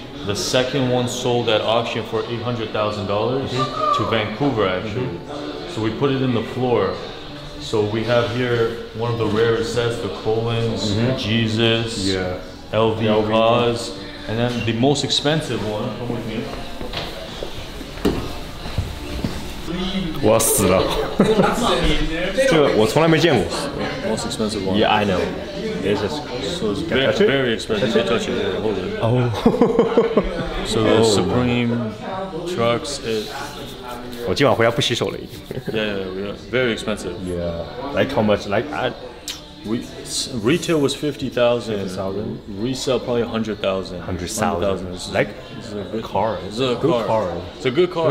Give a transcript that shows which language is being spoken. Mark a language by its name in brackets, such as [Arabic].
[English] The second one sold at auction for $800,000 to Vancouver actually. So we put it in the floor. So we have here one of the rarest sets, the Collins, Jesus, LV Cause, and then the most expensive one. Come with me. [Chinese] 我死了这个我从来没见过 [English] most expensive one yeah I know this is so it's very, very expensive to touch it hold it oh so the supreme trucks it [Chinese] 我今晚回家不洗手了已经 [English] yeah very expensive yeah like how much like I retail was 50,000 resale probably 100,000 like it's a good car. Car it's a good car